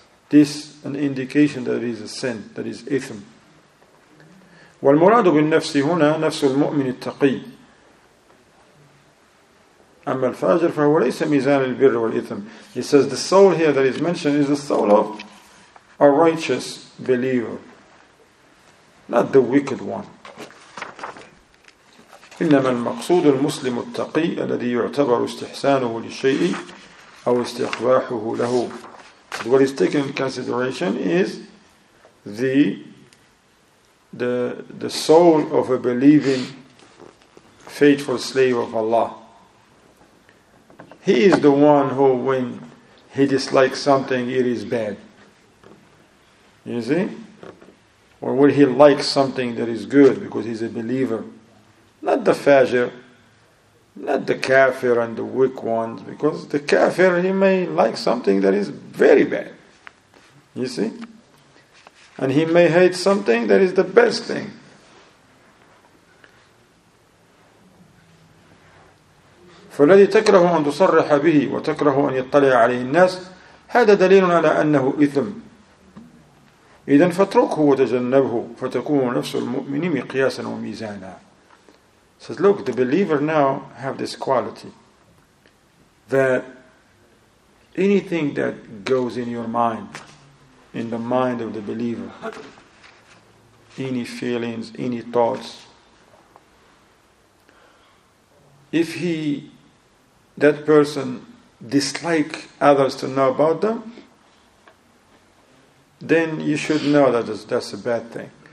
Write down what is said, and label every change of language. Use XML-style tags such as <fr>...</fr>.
<en>This an indication that it is a sin, that is ithm.</en> <ar>والمراد بالنفس هنا نفس المؤمن التقي. أما الفاجر فهو ليس ميزان البر والإثم.</ar> <en>He says the soul here that is mentioned is the soul of a righteous believer, not the wicked one.</en> <ar>إنما المقصود المسلم التقي الذي يعتبر استحسانه لشيء أو استقباحه له.</ar> <en>But what is taken in consideration is the soul of a believing, faithful slave of Allah. He is the one who, when he dislikes something, it is bad. You see? Or will he like something that is good because he's a believer? Not the fajr, not the kafir and the weak ones, because the kafir, he may like something that is very bad. You see? And he may hate something that is the best thing.</en> <ar>فالذي تكره أن تصرح به وتكره أن يطلع عليه الناس هذا دليل على أنه إثم. إذن فاتركه وتجنبه فتكون نفس المؤمن مقياسا وميزانا.</ar> <en>Says, look, the believer now have this quality that anything that goes in your mind, in the mind of the believer, any feelings, any thoughts, that person dislike others to know about them, then you should know that that's a bad thing.</en>